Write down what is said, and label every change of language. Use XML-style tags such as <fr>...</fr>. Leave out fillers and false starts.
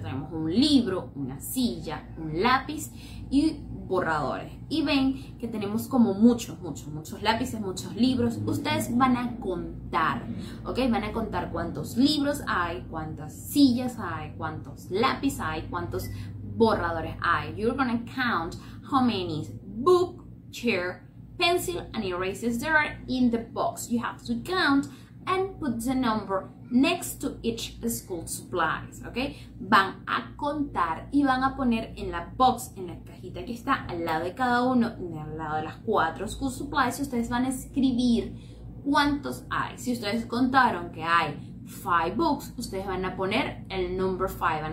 <es>Tenemos un libro, una silla, un lápiz y borradores. Y ven que tenemos como muchos lápices, muchos libros. Ustedes van a contar, ¿ok? Van a contar cuántos libros hay, cuántas sillas hay, cuántos lápices hay, cuántos borradores hay.</es> <en>You're gonna count how many book, chair, pencil, and erasers there are in the box. You have to count and put the number next to each school supplies, ¿ok?</en> <es>Van a contar y van a poner en la box, en la cajita que está al lado de cada uno, al lado de las cuatro school supplies, y ustedes van a escribir cuántos hay. Si ustedes contaron que hay 5 books, ustedes van a poner el number 5.</es>